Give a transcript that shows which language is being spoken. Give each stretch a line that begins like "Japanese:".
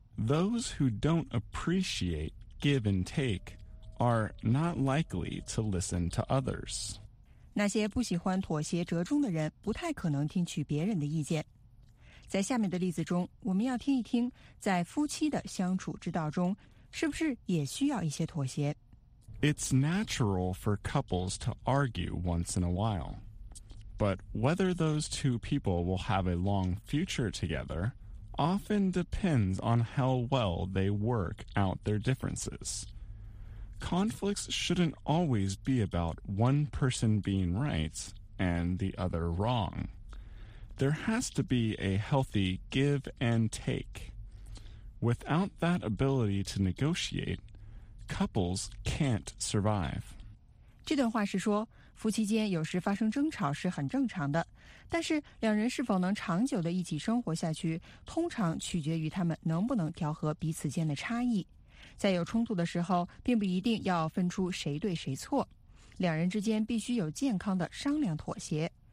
English: Those who don't appreciate give and take are not likely to listen to others
Chinese: 那些不喜欢妥协折中的人不太可能听取别人的意见在下面的例子中我们要听一听在夫妻的相处之道中是不是也需要一些妥协
English: It's natural for couples to argue once in a while. But whether those two people will have a long future together often depends on how well they work out their differences. Conflicts shouldn't always be about one person being right and the other wrong. There has to be a healthy give and take. Without that ability to negotiate,Couples can't survive.
Chinese: 这段话是说，夫妻间有时发生争吵是很正常的，但是两人是否能长久地一起生活下去，通常取决于他们能不能调和彼此间的差异。在有冲突的时候，并不一定要分出谁对谁错，两人之间必须有健康的商量妥协。